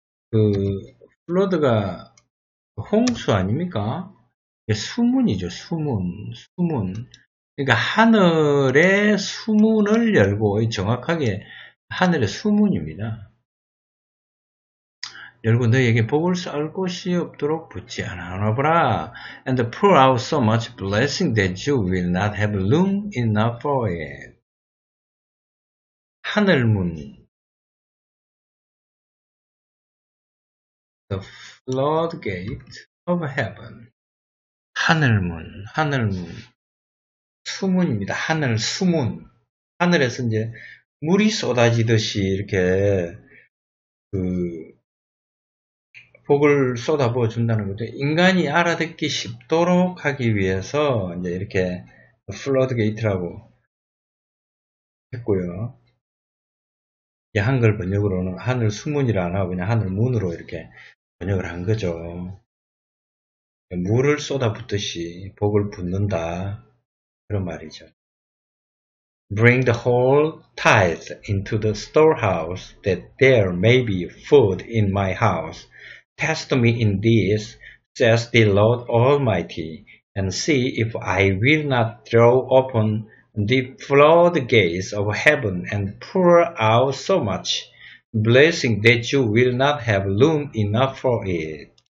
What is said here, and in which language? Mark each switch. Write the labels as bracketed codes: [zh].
[ko] 그, flood가 홍수 아닙니까? 수문이죠, 수문, 수문. 그러니까, 하늘의 수문을 열고, 정확하게, 하늘의 수문입니다. 열고, 너희에게 복을 쌓을 곳이 없도록 붙지 않아 보라. [en] And pour out so much blessing that you will not have room enough for it. [ko] 하늘문. [en] The floodgate of heaven. [ko] 하늘문. 하늘문. 수문입니다. 하늘, 수문. 하늘에서 이제 물이 쏟아지듯이 이렇게 그, 복을 쏟아부어 준다는 거죠. 인간이 알아듣기 쉽도록 하기 위해서 이제 이렇게 플러드게이트라고 했고요. 이 한글 번역으로는 하늘 수문이라 안 하고 그냥 하늘 문으로 이렇게 번역을 한 거죠. 물을 쏟아붓듯이 복을 붓는다. 그런 말이죠. [en] Bring the whole tithe into the storehouse that there may be food in my house. Test me in this, says the Lord Almighty, and see if I will not throw open the floodgates of heaven and pour out so much blessing that you will not have room enough for it.